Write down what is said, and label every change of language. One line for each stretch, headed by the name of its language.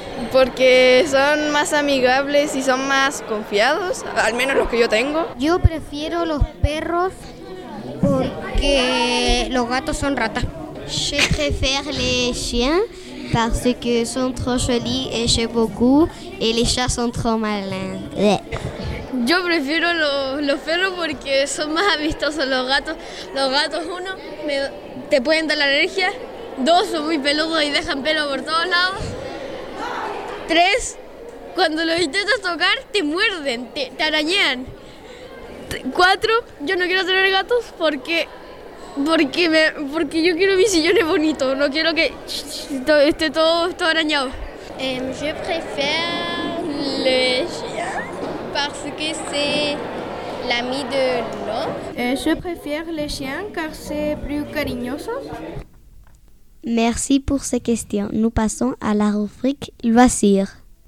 Spanish: Porque son más amigables y son más confiados, al menos los que yo tengo. Yo prefiero los perros porque los gatos son ratas.
French: Je préfère les chiens parce que son trop jolis et j'aime beaucoup et les chats sont trop malins.
Spanish: Yo prefiero los perros porque son más amistosos los gatos. Los gatos, uno, te pueden dar la alergia. Dos, son muy peludos y dejan pelo por todos lados. Tres, cuando los intentas tocar, te muerden, te arañean. Cuatro, yo no quiero tener gatos porque yo quiero mis sillones bonitos. No quiero que esté todo arañado.
French: Je préfère le chien parce que c'est l'ami de l'homme. Je préfère le chien car c'est plus
Spanish: cariñoso.
French: Merci pour ces questions. Nous passons à la rubrique Loisirs.